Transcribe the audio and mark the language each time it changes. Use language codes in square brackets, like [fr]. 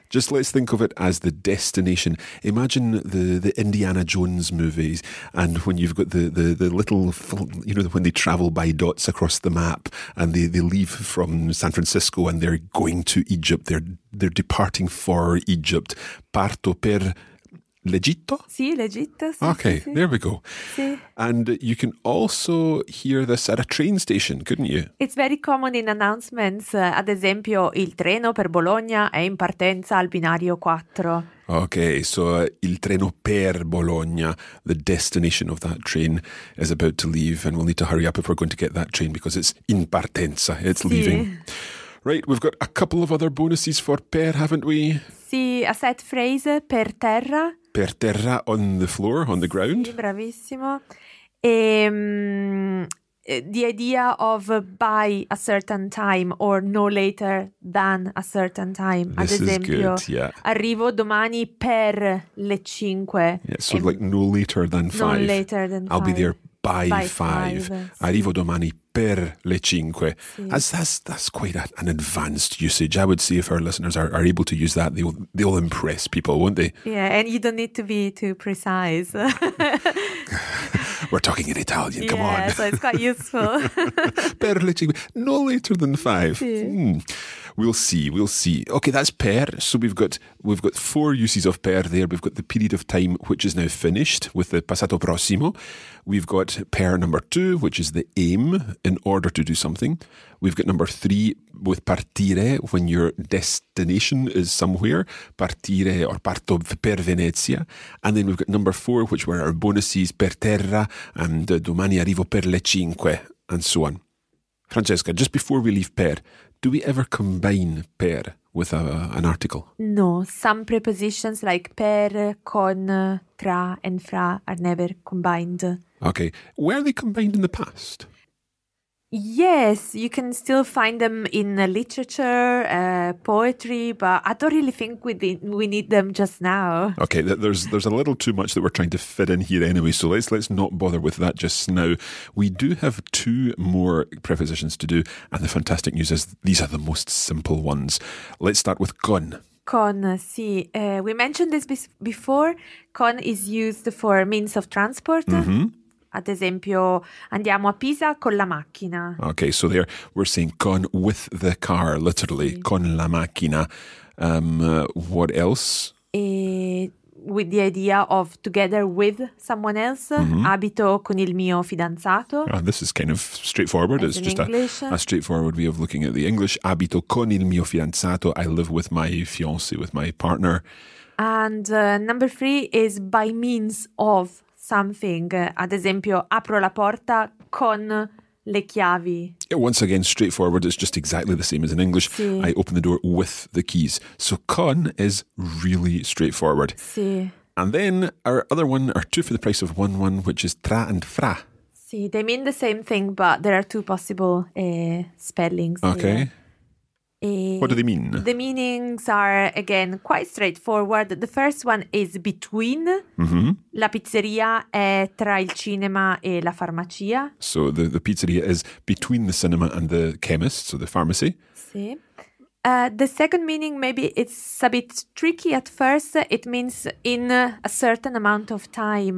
[en] Just let's think of it as the destination. Imagine the Indiana Jones movies and when you've got the little, you know, when they travel by dots across the map and they leave from San Francisco and they're going to Egypt. They're departing for Egypt. [it] Parto per l'Egitto? Sì, l'Egitto. Sì, [en] okay, [it] sì, [en] there we go. [it] Sì. [en] And you can also hear this at a train station, couldn't you? It's very common in announcements. [it] Ad esempio, il treno per Bologna è in partenza al binario 4. [en] Okay, so [it] il treno per Bologna, [en] the destination of that train, is about to leave and we'll need to hurry up if we're going to get that train because it's [it] in partenza, [en] it's [it] sì. [en] leaving. Right, we've got a couple of other bonuses for per, haven't we? Sì, a set phrase per terra. [it] Per terra, [en] on the floor, on the ground. [it] Sì, bravissimo. [en] E, the idea of by a certain time or no later than a certain time. This [it] ad esempio, [en] is good, yeah. [it] Arrivo domani per le 5. [en] Yeah, so like no later than 5. No later than 5. I'll be there by five. [it] Sì. Arrivo domani per le 5. Sì. [en] That's quite an advanced usage. I would say if our listeners are able to use that, they'll impress people, won't they? Yeah, and you don't need to be too precise. We're talking in Italian, come yeah, on. Yeah, so it's quite useful. [it] Per le 5, [en] no later than 5. [it] Sì. [en] Hmm. We'll see. Okay, that's per. So we've got four uses of per there. We've got the period of time, which is now finished with the passato prossimo. We've got per number two, which is the aim in order to do something. We've got number three with partire, when your destination is somewhere. [it] Partire or parto per Venezia. [en] And then we've got number four, which were our bonuses, per terra, and [it] domani arrivo per le cinque, [en] and so on. Francesca, just before we leave per, do we ever combine per with an article? No, some prepositions like per, con, tra and fra are never combined. Okay, were they combined in the past? Yes, you can still find them in literature, poetry, but I don't really think we need them just now. Okay, there's a little too much that we're trying to fit in here anyway, so let's not bother with that just now. We do have two more prepositions to do, and the fantastic news is these are the most simple ones. Let's start with con. [it] Con, sì. [en] We mentioned this before. Con is used for means of transport. Mm-hmm. [it] Ad esempio, andiamo a Pisa con la macchina. [en] Okay, so there we're saying con with the car, literally, sì. [it] Con la macchina. [en] What else? With the idea of together with someone else, mm-hmm. [it] Abito con il mio fidanzato. [en] Oh, this is kind of straightforward. It's just a straightforward way of looking at the English. [it] Abito con il mio fidanzato. [en] I live with my fiancé, with my partner. And number three is by means of something. [it] Ad esempio, apro la porta con le chiavi. [en] Once again, straightforward. It's just exactly the same as in English. [it] Sì. [en] I open the door with the keys. So con is really straightforward. [it] Sì. [en] And then our other one are two for the price of one, which is tra and fra. Sì, they mean the same thing, but there are two possible spellings. Okay. What do they mean? The meanings are, again, quite straightforward. The first one is between. Mm-hmm. [it] La pizzeria è tra il cinema e la farmacia. [en] So the pizzeria is between the cinema and the chemist, so the pharmacy. [it] Sì. [en] The second meaning, maybe it's a bit tricky at first. It means in a certain amount of time.